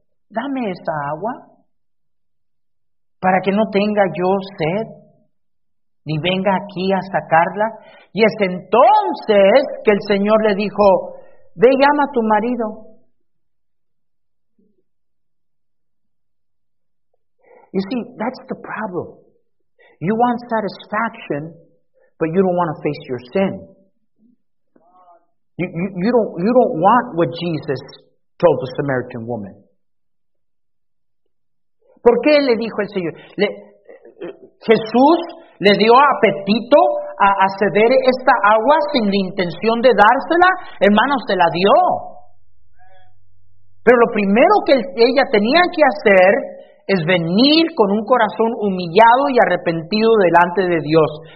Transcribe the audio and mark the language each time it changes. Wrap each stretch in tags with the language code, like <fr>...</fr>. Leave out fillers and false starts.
<es>Dame esa agua para que no tenga yo sed ni venga aquí a sacarla. Y es entonces que el Señor le dijo: ve y llama a tu marido.</es> <en>You see, that's the problem. You want satisfaction, but you don't want to face your sin. You don't want what Jesus told the Samaritan woman.</en> <es>¿Por qué le dijo el Señor? Jesús le dio apetito a ceder esta agua sin la intención de dársela. Hermano, se la dio. Pero lo primero que ella tenía que hacer es venir con un corazón humillado y arrepentido delante de Dios.</es>